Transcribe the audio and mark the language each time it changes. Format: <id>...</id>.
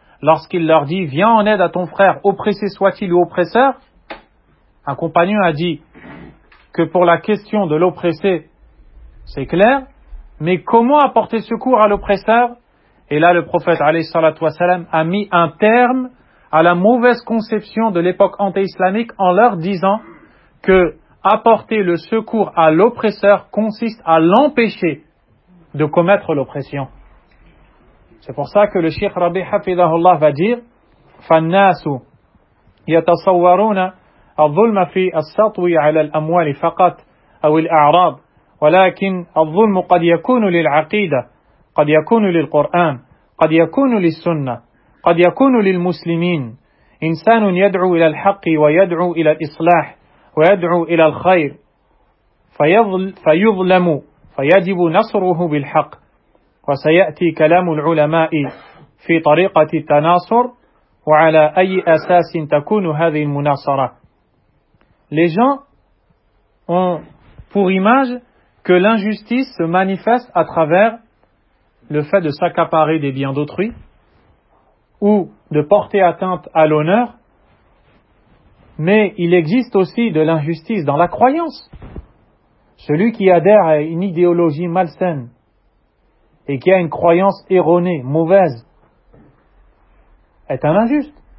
<fr>Lorsqu'il leur dit, viens en aide à ton frère, oppressé soit-il ou oppresseur, un compagnon a dit que pour la question de l'oppressé, c'est clair, mais comment apporter secours à l'oppresseur? Et là, le prophète, alayhi salatu wassalam, a mis un terme à la mauvaise conception de l'époque anti-islamique en leur disant que apporter le secours à l'oppresseur consiste à l'empêcher de commettre l'oppression. C'est pour ça que le Cheikh Rabbi Hafidahullah va dire,</fr> <ar>فَالنَّاسُ يَتَصَوَّرُونَ الظُّلْمَ فِي السَّطْوِ عَلَى الْأَمْوَالِ فَقَطْ أَوْ الْأَعْرَابِ وَلَكِنْ الظُّلْمُ قَدْ يَكُونُ لِلْعَقِيدَةِ قد يكون للقرآن قد يكون للسنة قد يكون للمسلمين إنسان يدعو إلى الحق ويدعو إلى الإصلاح ويدعو إلى الخير فيظلم فيجب نصره بالحق وسيأتي كلام العلماء في طريقة التناصر وعلى أي أساس تكون هذه المناصرة.</ar> <fr>Les gens ont pour image que l'injustice se manifeste à travers le fait de s'accaparer des biens d'autrui ou de porter atteinte à l'honneur. Mais il existe aussi de l'injustice dans la croyance. Celui qui adhère à une idéologie malsaine et qui a une croyance erronée, mauvaise, est un injuste.</fr>